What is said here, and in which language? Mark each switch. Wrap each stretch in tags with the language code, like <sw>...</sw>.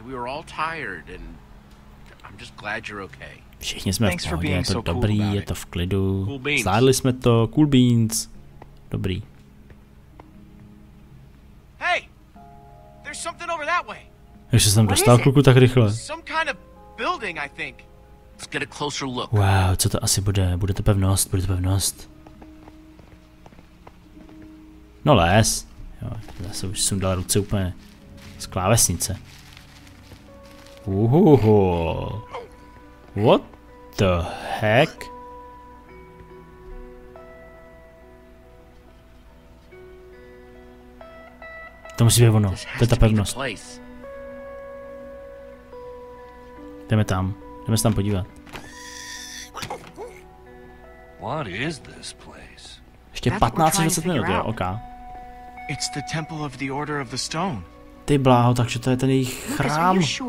<en>We were all tired and I'm just glad you're okay.</en> <cs>Všichni jsme v pohodě, je to dobrý, je to v klidu. Zvládli jsme to,</cs> <en>cool beans.</en> <cs>Dobrý.</cs> <en>Hey. There's something over that way.</en> <cs>Jak se tam dostal kluku tak rychle? Wow, co to asi bude? Bude to pevnost. No les. Jo, zase už jsem dal ruce úplně z klávesnice.</cs> <en>Uhuhu. What the heck?</en> <cs>To musí být ono, to je ta pevnost. Jdeme se tam podívat.</cs> <en>What is this place?</en> <cs>Ještě 15-20 minut, jo, OK.</cs> <en>It's the temple of the order of the stone.</en> <cs>Ty bláho, takže to je ten jejich chrám.</cs>